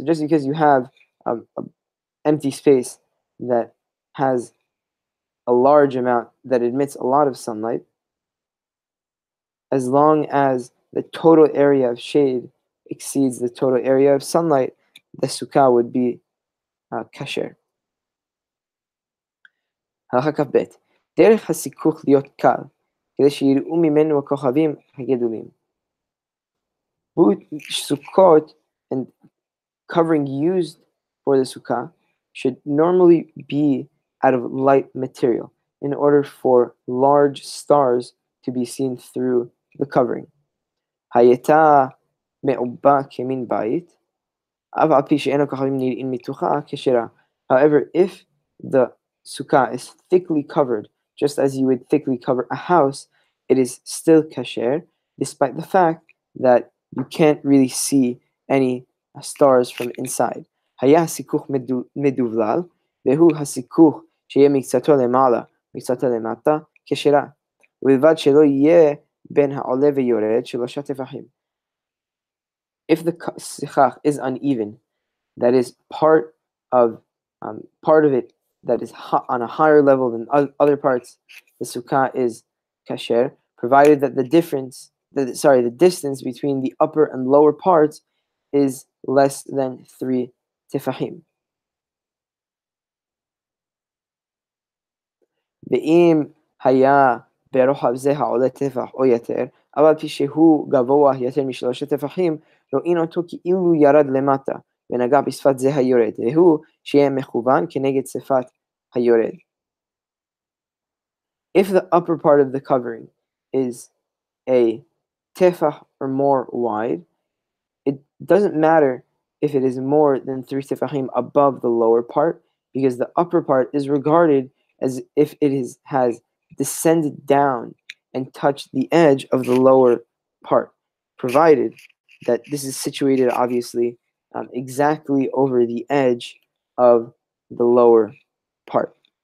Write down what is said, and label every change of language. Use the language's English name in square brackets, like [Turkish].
[English] So just because you have an empty space that has a large amount that admits a lot of sunlight, as long as the total area of shade exceeds the total area of sunlight, the sukkah would be kasher. [Hebrew] הלכה כף ב' דרך הסיכוך להיות קל, כדי שיראו ממנו הכוכבים הגדולים. [English] Sukkot and covering used for the sukkah should normally be out of light material in order for large stars to be seen through the covering. [Hebrew] הייתה מעובה כמין בית, אף על פי שאין הכוכבים נראים מתוכה כשרה. [English] However, if the sukkah is thickly covered, just as you would thickly cover a house, it is still kasher, despite the fact that you can't really see any stars from inside. [Hebrew] היה הסיכוך מדובלל, והוא הסיכוך שיהיה מקצתו למעלה, מקצתו למטה, כשרה. ובלבד שלא יהיה בין העולה ויורד שלושה תפחים. [English] If the sechach is uneven, that is part of it that is on a higher level than other parts, the sukkah is kasher, provided that the distance between the upper and lower parts is less than three tefachim. [Hebrew] Ve'im haya ברוחב זה העולה תפח או יותר, אבל פי שהוא גבוה יותר משלושה תפחים, רואים אותו כאילו ירד למטה, ונגע בשפת זה היורד, והוא שיהיה מכוון כנגד שפת היורד. [English] If the upper part of the covering is a tefach or more wide, it doesn't matter if it is more than three tefachim above the lower part, because the upper part is regarded as if it has descended down and touched the edge of the lower part, provided that this is situated, obviously, exactly over the edge of the lower part.